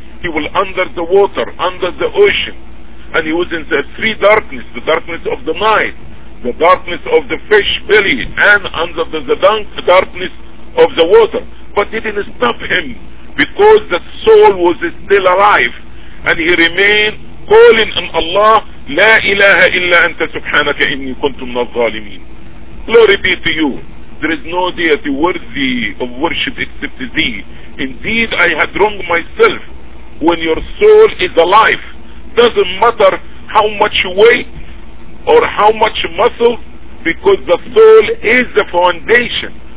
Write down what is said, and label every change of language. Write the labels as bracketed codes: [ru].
[en] He was under the water, under the ocean. And he was in the three darkness, the darkness of the night, the darkness of the fish belly, and under the dunk, the darkness of the water. But it didn't stop him, because the soul was still alive. And he remained calling on Allah, [ar] لا إله إلا أنت سبحانك إني كنت من الظالمين. [en] Glory be to you. There is no deity worthy of worship except thee. Indeed, I had wronged myself. When your soul is alive, doesn't matter how much weight or how much muscle, because the soul is the foundation.